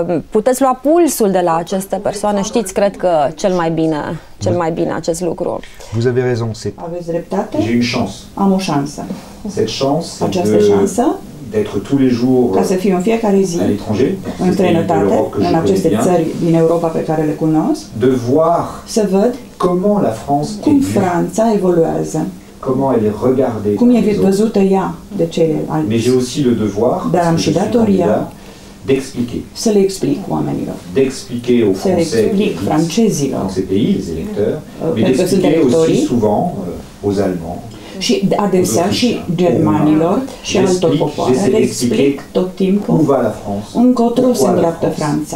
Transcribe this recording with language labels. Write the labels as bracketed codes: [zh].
[ro] Puteți lua pulsul de la aceste persoane, știți, cred că cel mai bine acest lucru. [fr] Vous avez raison, c'est... [ro] Aveți dreptate? [fr] J'ai une chance. [ro] Am o șansă. [fr] Cette chance, [ro] această șansă [fr] d'être tous les jours, [ro] ca să fiu în fiecare zi în străinătate, în aceste țări din Europa pe care le cunosc, [fr] de voir [ro] să văd [fr] comment la France [ro] cum Franța evoluează. [fr] Comment elle est regardée [ro] cum e văzută ea de ceilalți. [fr] Mais j'ai aussi le devoir, [ro] dar am și datoria [fr] d'expliquer. [ro] Să le explic oamenilor. [fr] D'expliquer aux [ro] Français, să le explic francezilor. [fr] Dans ces pays, les électeurs. Mais d'expliquer aussi souvent aux Allemands. [ro] Și adesea și germanilor și altor popoare. [fr] Je le explique [ro] tout timpul. [fr] Où va la France? [ro] Încotro se îndreaptă Franța.